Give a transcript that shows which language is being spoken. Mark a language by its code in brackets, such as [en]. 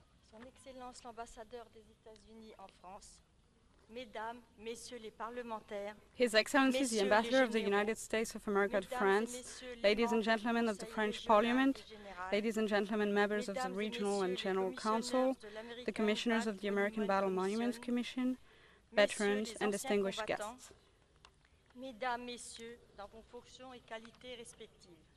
[fr] Son Excellence l'ambassadeur des États-Unis en France. Mesdames, messieurs les parlementaires, [en] His Excellency the Ambassador of the United States of America to France, ladies and gentlemen of the French Parliament, ladies and gentlemen members of the Regional and General Council, the Commissioners of the American Battle Monuments Commission, veterans and distinguished guests. [fr] Mesdames, messieurs, dans vos fonctions et qualités respectives.